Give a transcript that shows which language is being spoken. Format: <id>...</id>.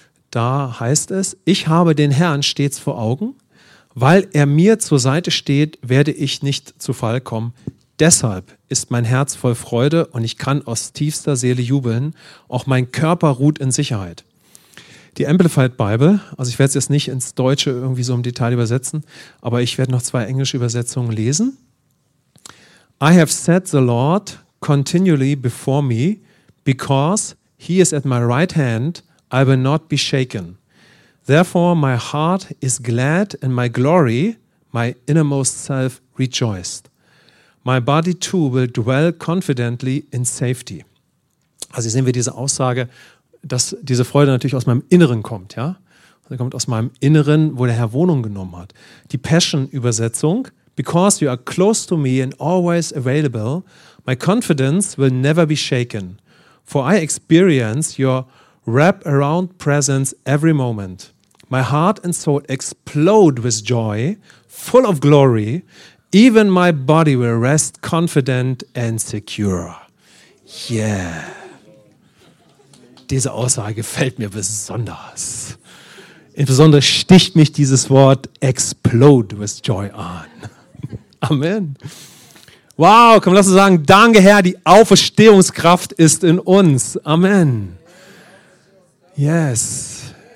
<de>Da heißt es, ich habe den Herrn stets vor Augen, weil er mir zur Seite steht, werde ich nicht zu Fall kommen. Deshalb ist mein Herz voll Freude und ich kann aus tiefster Seele jubeln, auch mein Körper ruht in Sicherheit. Die Amplified Bible, also ich werde es jetzt nicht ins Deutsche irgendwie so im Detail übersetzen, aber ich werde noch zwei englische Übersetzungen lesen.</de> <en>I have said the Lord continually before me, because he is at my right hand, I will not be shaken. Therefore, my heart is glad and my glory, my innermost self rejoiced. My body too will dwell confidently in safety.</en> <de>Also hier sehen wir diese Aussage, dass diese Freude natürlich aus meinem Inneren kommt, ja? Sie kommt aus meinem Inneren, wo der Herr Wohnung genommen hat. Die Passion-Übersetzung,</de> <en>because you are close to me and always available, my confidence will never be shaken, for I experience your wrap-around presence every moment. My heart and soul explode with joy, full of glory, Even my body will rest confident and secure. Yeah.</en> <de>Diese Aussage gefällt mir besonders. Insbesondere sticht mich dieses Wort</de> <en>explode with joy</en> <de>an. Amen. Wow, komm, lass uns sagen, danke Herr, die Auferstehungskraft ist in uns. Amen. Yes.</de>